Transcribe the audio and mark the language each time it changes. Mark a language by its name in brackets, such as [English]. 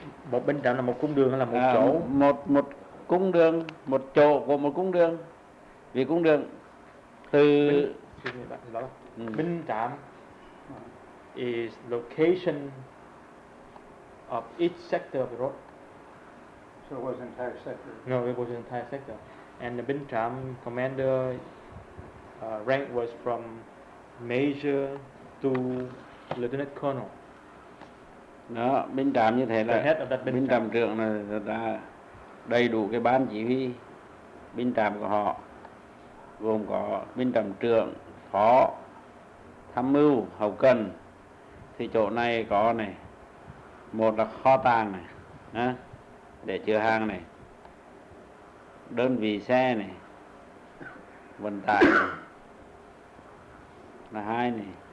[Vietnamese] Một binh trạm là một cung đường hay là một chỗ? Một cung đường, một chỗ của một cung đường. Vì cung đường từ [English] binh trạm is location of each sector of the road. So it was an entire sector? No, it was an entire sector. And the bin tram commander rank was from major to lieutenant colonel. [Vietnamese] Đó, bin tram như thế là [English] the head of that [Vietnamese] bin tram trưởng là đầy đủ cái ban chỉ huy bin tram của họ gồm có bin tram trưởng, phó, tham mưu, hậu cần. Thì chỗ này có này, một là kho tàng này, á, để chứa hàng này, đơn vị xe này, vận tải này, là hai này,